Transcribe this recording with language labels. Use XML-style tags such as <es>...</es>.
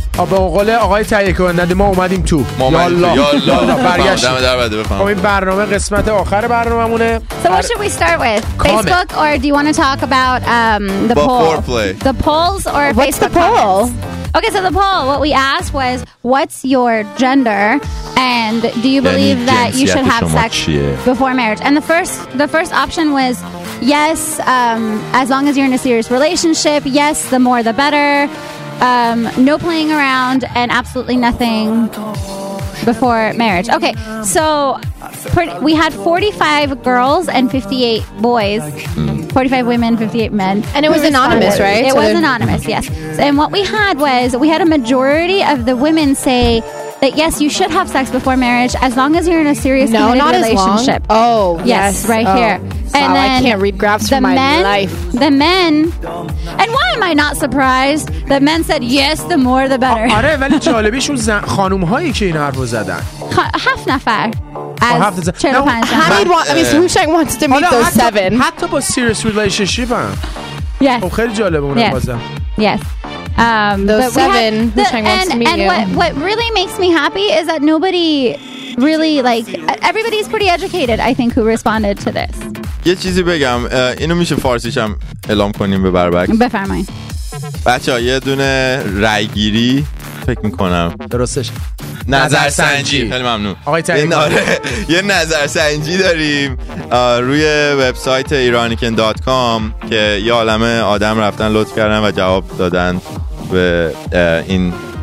<fa>به قول آقای تهیه کننده ما اومدیم تو یالا یالا برگشت دم در بده بفهم. خب این برنامه قسمت آخر برنامه مونه.</fa> <en>So what should we start with? Facebook or do you want to talk about the poll? The polls or Facebook poll? Okay, so the poll, what we asked was, what's your gender, and do you believe that you should have sex before marriage? And the first option was, yes, as long as you're in a serious relationship, yes, the more the better, no playing around, and absolutely nothing before marriage. Okay, so we had 45 girls and 58 boys. 45 women, 58 men. And it was anonymous, right? It was anonymous, yes. And what we had was, we had a majority of the women say that, yes, you should have sex before marriage as long as you're in a serious relationship. No, not as long. Oh, yes. Right here. And then I can't read graphs for my life. The men, and why am I not surprised? The men said, yes, the more, the better.</en> <fa>آره، ولی جالبیشون خانوم‌هایی که این حرفو زدن. هفت نفر.</fa> <en>Hushang wants to meet those seven.</en> <fa>حتی با</fa> <en>serious relationship</en> <fa>هم.</fa> <en>Yes.</en> <fa>خیلی جالبه اونم بازم.</fa> <en>Yes. Those seven, Hushang wants to meet and you. And what really makes me happy is that nobody really, like, everybody's pretty educated, I think, who responded to this.</en> <fa>یه چیزی بگم. اینو میشه فارسیش هم اعلام کنیم به بربک. بفرمایید. بچه ها یه دونه رای گیری فکر میکنم. درستش. نظرسنجی. خیلی ممنون آقای تهیه‌کننده. یه نظرسنجی داریم روی وبسایت iranican.com که یه عالمه آدم رفتن لطف کردن و جواب دادن به این.</fa>